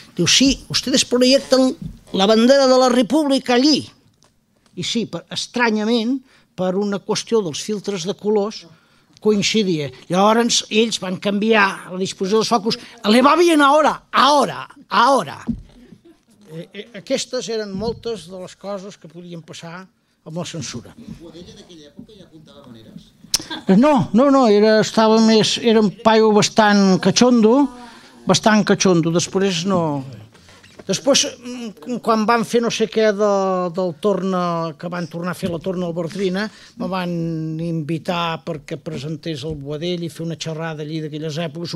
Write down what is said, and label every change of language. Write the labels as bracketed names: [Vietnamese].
[Spanish] Diu: sí, ustedes proyectan la bandera de la República allí. [Catalan] I sí, estranyament, per una qüestió dels filtres de colors, coincidia. Llavors, ells van canviar la disposició dels focus. [Spanish] Le va bien ahora, ahora, ahora. [Catalan] Aquestes eren moltes de les coses que podien passar amb la censura. Ho deia d'aquella època i apuntava maneres. No, no, no, estava més, era un paio bastant cachondo, bastant cachondo. Després no... Després, quan van fer no sé què del torn, que van tornar a fer la torna al Bertrina, me van invitar perquè presentés el Boadell i fer una xerrada allí d'aquelles èpoques.